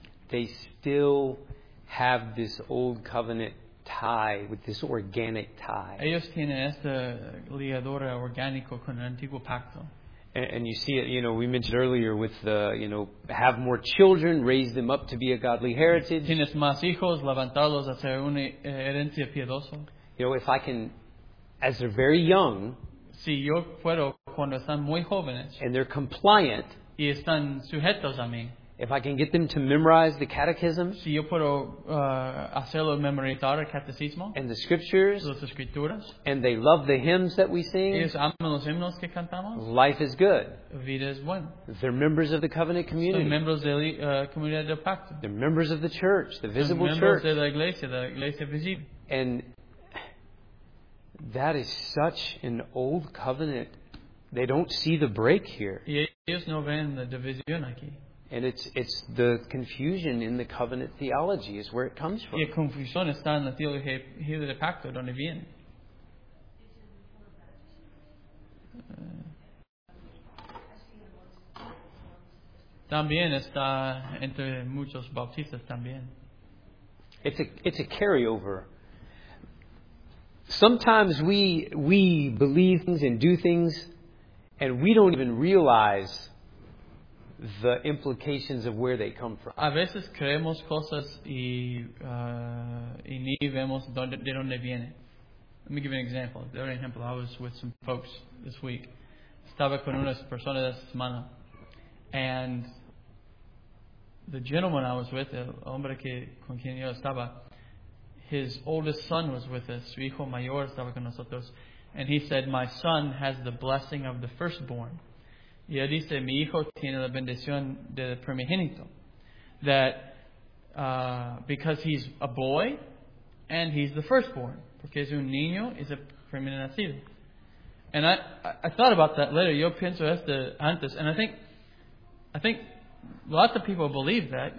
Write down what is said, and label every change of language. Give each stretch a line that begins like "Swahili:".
English: They still have this old covenant tie with this organic tie.
Spanish: Ellos tienen esta ligadura orgánico con el antiguo pacto.
English: And you see it, you know, we mentioned earlier with the, you know, have more children, raise them up to be a godly heritage.
Spanish: Tienes más hijos, levantarlos a ser una herencia piedosa.
English: You know, if I can, as they're very young,
Spanish: si yo puedo, cuando están muy jóvenes,
English: and they're compliant,
Spanish: y están sujetos a mí,
English: if I can get them to memorize the catechism,
Spanish: si yo puedo, hacerlo memorizar el catecismo,
English: and the scriptures,
Spanish: las escrituras,
English: and they love the hymns that we sing,
Spanish: ellos aman los himnos que cantamos,
English: life is good.
Spanish: Vida es buena.
English: They're members of the covenant community.
Spanish: Son miembros de la, comunidad del pacto.
English: They're members of the church, the visible
Spanish: son miembros De la iglesia visible.
English: And that is such an old covenant. They don't see the break here.
Spanish: Y ellos no ven la división aquí.
English: And it's the confusion in the covenant theology is where it comes from.
Spanish: La confusión está en la teología del pacto, donde viene. También está entre muchos bautistas también.
English: It's a carryover. Sometimes we believe things and do things, and we don't even realize the implications of where they come from.
Spanish: A veces creemos cosas y ni vemos de dónde viene.
English: Let me give you an example. I was with some folks this week.
Spanish: Estaba con unas personas esta semana,
English: and the gentleman I was with,
Spanish: el hombre que con quien yo estaba,
English: his oldest son was with us.
Spanish: Su hijo mayor estaba con nosotros,
English: and he said, "My son has the blessing of the firstborn."
Spanish: Y él dice, "Mi hijo tiene la bendición del primogénito."
English: That because he's a boy and he's the firstborn.
Spanish: Porque es un niño, es el primer nacido.
English: And I thought about that later.
Spanish: Yo pienso esto antes.
English: And I think lots of people believe that.